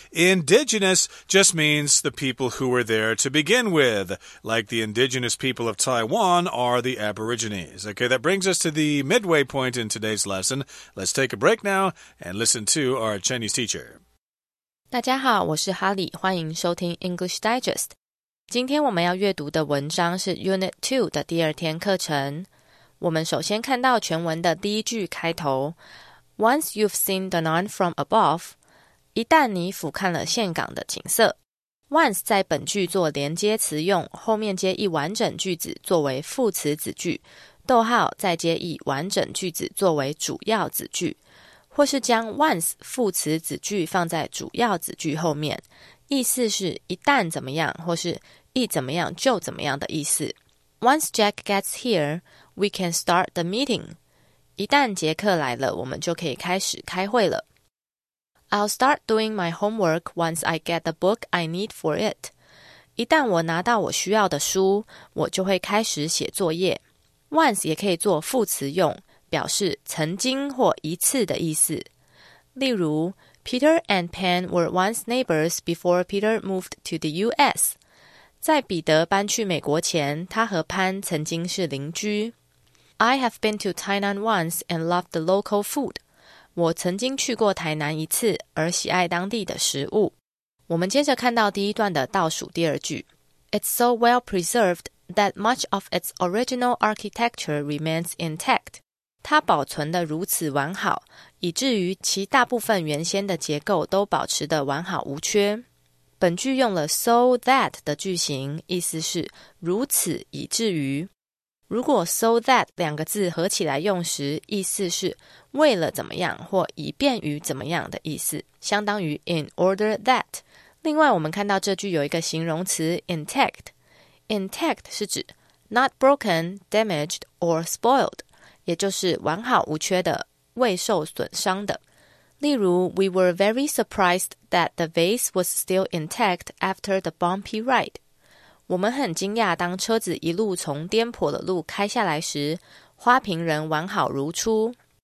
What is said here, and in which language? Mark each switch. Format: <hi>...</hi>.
<en>Indigenous just means the people who were there to begin with, like the indigenous people of Taiwan are the Aborigines. Okay, that brings us to the midway point in today's lesson. Let's take a break now and listen to our Chinese teacher.</en> <zh>大家好，我是哈利，欢迎收听 English Digest。今天我们要阅读的文章是 Unit 2的第二天课程。我们首先看到全文的第一句开头 ，</zh> <en>Once you've seen Danan from above，</en> <zh>一旦你俯瞰了岘港的景色。 Once 在本句做连接词用，后面接一完整句子作为副词子句。逗号再接以完整句子作为主要子句，或是将 once 副词子句放在主要子句后面，意思是一旦怎么样，或是一怎么样就怎么样的意思。</zh> <en>Once Jack gets here, we can start the meeting.</en> <zh>一旦杰克来了，我们就可以开始开会了。</zh> <en>I'll start doing my homework once I get the book I need for it.</en> <zh>一旦我拿到我需要的书，我就会开始写作业。 Once 也可以做副词用，表示曾经或一次的意思。</zh> <en>例如 ,Peter and Pam were once neighbors before Peter moved to the US.</en> <zh>在彼得搬去美国前，他和潘曾经是邻居。</zh> <en>I have been to Tainan once and loved the local food.</en> <zh>我曾经去过台南一次而喜爱当地的食物。我们接着看到第一段的倒数第二句。</zh> <en>It's so well preserved,that much of its original architecture remains intact.</en> <zh>它保存得如此完好，以至于其大部分原先的结构都保持得完好无缺。本句用了 so that 的句型，意思是如此以至于。如果 so that 两个字合起来用时，意思是为了怎么样或以便于怎么样的意思，相当于 in order that。另外，我们看到这句有一个形容词 intact。Intact 是指</zh> <en>not broken, damaged, or spoiled,</en> <zh>也就是完好无缺的、未受损伤的。</zh> <en>例如 ,we were very surprised that the vase was still intact after the bumpy ride.</en> <zh>我们很惊讶当车子一路从颠簸的路开下来时,花瓶人完好如初。</zh>